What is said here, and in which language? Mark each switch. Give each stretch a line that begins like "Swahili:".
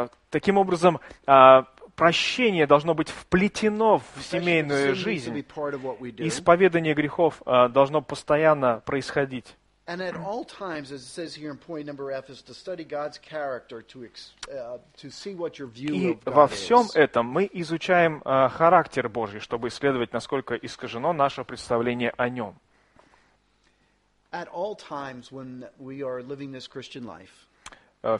Russian: Таким образом, прощение должно быть вплетено в семейную жизнь. Исповедание грехов должно постоянно происходить.
English: And at all times, as it says here in point number F, is to study God's character, to see what your view of God is.
Russian: И во всем этом мы изучаем характер Божий, чтобы исследовать, насколько искажено наше представление о нем.
English: At all times when we are living this Christian life,